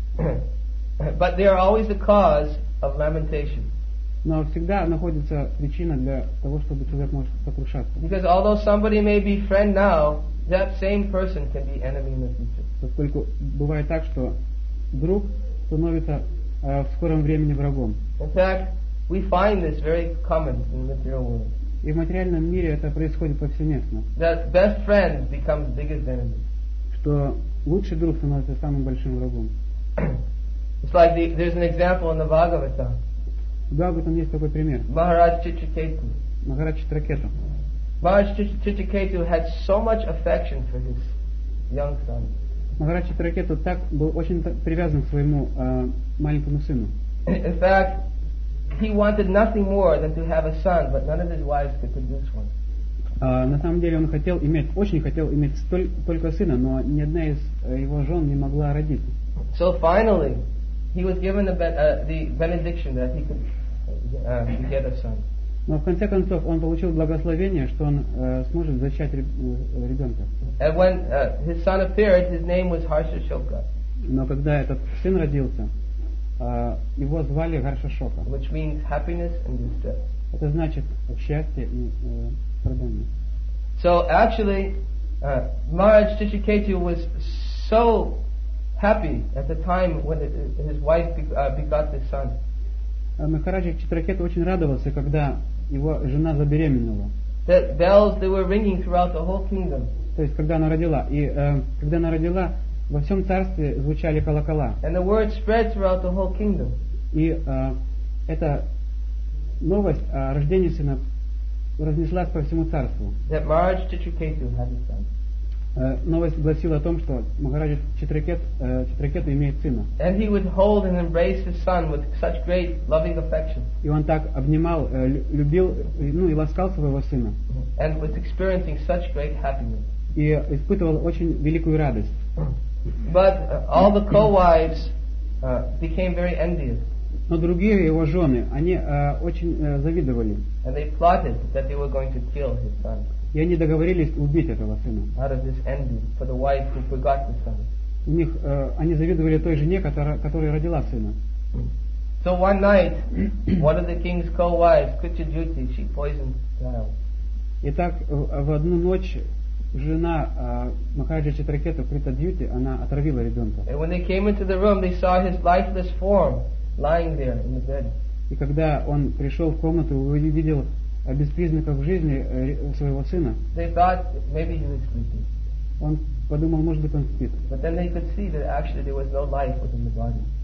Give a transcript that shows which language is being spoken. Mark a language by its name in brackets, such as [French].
[English] But they are always the cause of lamentation. [Russian] Но всегда находится причина для того, чтобы человек может сокрушаться. [English] Because although somebody may be friend now, that same person can be enemy in the future. [Russian] Поскольку бывает так, что друг становится в скором времени врагом. [English] In fact, we find this very common in the material world. [Russian] И в материальном мире это происходит повсеместно. [English] That best friend becomes biggest enemy. [Russian] Что лучший друг становится самым большим врагом. [English] It's like there's an example in the Bhagavata. [Russian] В Бхагаватам есть такой пример. Махарадж Чичикету. [English] Махарадж Чичикету had so much affection for his young son. [Russian] Махарадж Чичикету так был очень привязан к своему маленькому сыну. [English] In fact, he wanted nothing more than to have a son, but none of his wives could produce one. [Russian] На самом деле он хотел иметь, очень хотел иметь только сына, но ни одна из его жен не могла родить. [English] So finally, he was given the benediction that he could get a son. [Russian] Но в конце концов он получил благословение, что он сможет зачать ребенка. [English] And when his son appeared, his name was Harshashoka. [Russian] Но когда этот сын родился, его звали Гаршашока. [English] Which means happiness and distress. [Russian] Это значит счастье и страдание. [English] So actually, Maharaj Shishiketu was so happy at the time when his wife begot this son. [Russian] Махараджа Читракету очень радовался, когда его жена забеременела. [English] The bells, they were ringing throughout the whole kingdom. [Russian] То есть, когда она родила. И когда она родила, во всем царстве звучали колокола. [English] And the word spread throughout the whole kingdom. [Russian] И эта новость о рождении сына разнеслась по всему царству. [English] That Maharaj Chitraketu had a son. [Russian] Новость гласила о том, что Махараджа Читракету имеет сына. [English] And he would hold and embrace his son with such great loving affection. [Russian] И он так обнимал, любил, ну и ласкал своего сына. [English] And was experiencing such great happiness. [Russian] И испытывал очень великую радость. [English] But all the co-wives became very envious. [Russian] Но другие его жены, они очень завидовали. [English] And they plotted that they were going to kill his son. [Russian] И они договорились убить этого сына. [English] Out of this envy for the wife who forgot the son. [Russian] У них они завидовали той жене, которая родила сына. [English] So one night, one of the king's co-wives, Kuchajuti, she poisoned the child. [Russian] Итак, в одну ночь жена Махараджа Читракету, Прита Дьюти, она отравила ребенка. [English] And when they came into the room, they saw his lifeless form lying there in the bed. [Russian] И когда он пришел в комнату, увидел без признаков жизни своего сына. [English] They thought maybe he was sleeping. [Russian] Он подумал, может быть, он спит. [English] But then they could see that actually there was no life within the body.